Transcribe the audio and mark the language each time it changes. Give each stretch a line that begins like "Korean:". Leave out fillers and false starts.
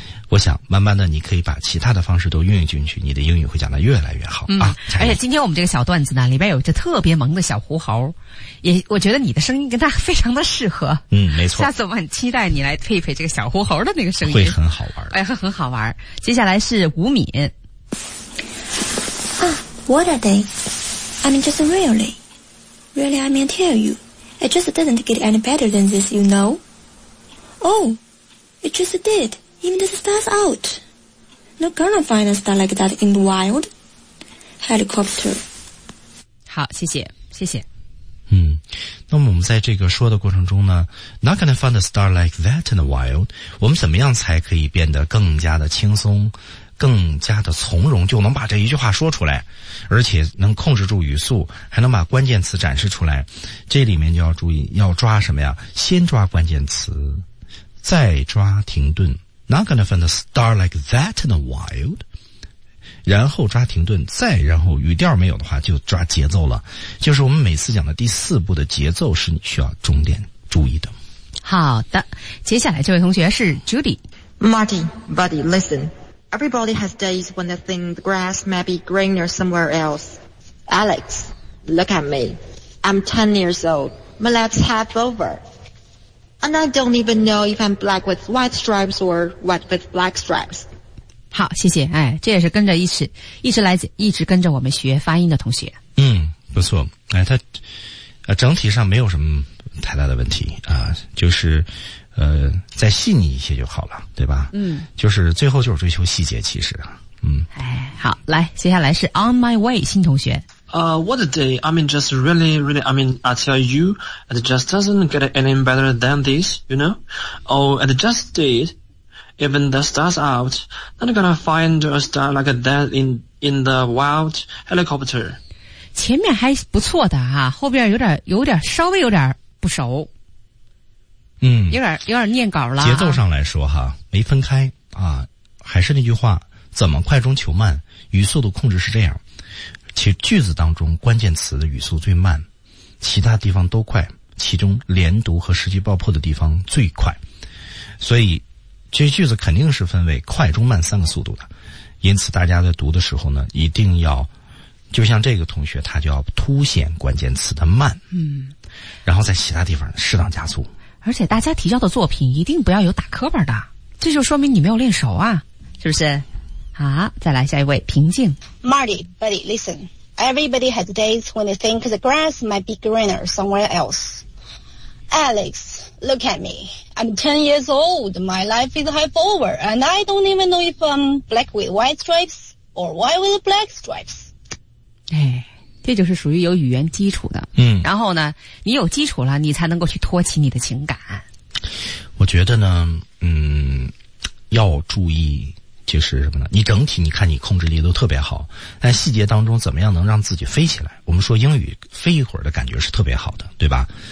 Chinese: 我想慢慢的你可以把其他的方式都运用进去，你的英语会讲得越来越好、嗯、啊！而且今天我们这个小段子呢，里边有一只特别萌的小狐猴，也我觉得你的声音跟它非常的适合。嗯，没错，下次我们很期待你来配配这个小狐猴的那个声音，会很好玩。哎，会很好玩。接下来是吴敏。
English: 啊、what a day. I mean just really. Really I mean tell youIt just doesn't get any better than this, you know. Oh, it just did. Even the stars out. No gonna find a star like that in the wild. Helicopter.
Chinese: 好，谢谢，谢谢。嗯，那么我们在这个说的过程中呢 ，
English: Not gonna find a star like that in the wild.
Chinese: 我们怎么样才可以变得更加的轻松，更加的从容，就能把这一句话说出来，而且能控制住语速，还能把关键词展示出来。这里面就要注意，要抓什么呀？先抓关键词，再抓停顿。
English: Not gonna find a star like that in the wild。
Chinese: 然后抓停顿，再然后语调没有的话，就抓节奏了。就是我们每次讲的第四步的节奏，是你需要重点注意的。好的，接下来这位同学是 Judy。
English: Marty, buddy, listen. Everybody has days when they think the grass may be greener somewhere else. Alex, look at me. I'm 10 years old. My life's half over. And I don't even know if I'm black with white stripes or white with black stripes.
Chinese: 好，谢谢。哎，这也是跟着一直跟着我们学发音的同学。嗯，不错。哎，他整体上没有什么太大的问题啊，就是再细腻一些就好了，对吧？嗯，就是最后就是追求细节，其实，嗯。哎，好，来，接下来是 On My Way 新同学。
English: What a day! I mean, just really, really. I mean, I tell you, it just doesn't get any better than this, you know? Oh, it just did. Even the stars out, not gonna find a star like that in the wild helicopter.
Chinese: 前面还不错的啊，后边有点稍微有点不熟。嗯，有点念稿了、啊。节奏上来说哈，没分开啊，还是那句话，怎么快中求慢，语速的控制是这样。其实句子当中关键词的语速最慢，其他地方都快，其中连读和时机爆破的地方最快。所以这句子肯定是分为快中慢三个速度的。因此大家在读的时候呢，一定要就像这个同学，他就要凸显关键词的慢。嗯。然后在其他地方适当加速。而且大家提交的作品一定不要有打磕巴的，这就说明你没有练手啊，是不是？好，再来下一位，平静。
English: Marty, buddy, listen. Everybody has days when they think the grass might be greener somewhere else. Alex, look at me. I'm 10 years old. My life is half over, and I don't even know if I'm black with white stripes or white with black stripes.
Chinese: 这就是属于有语言基础的。嗯，然后呢，你有基础了，你才能够去托起你的情感。我觉得呢，嗯，要注意就是什么呢？你整体你看你控制力都特别好，但细节当中怎么样能让自己飞起来？我们说英语飞一会儿的感觉是特别好的，对吧？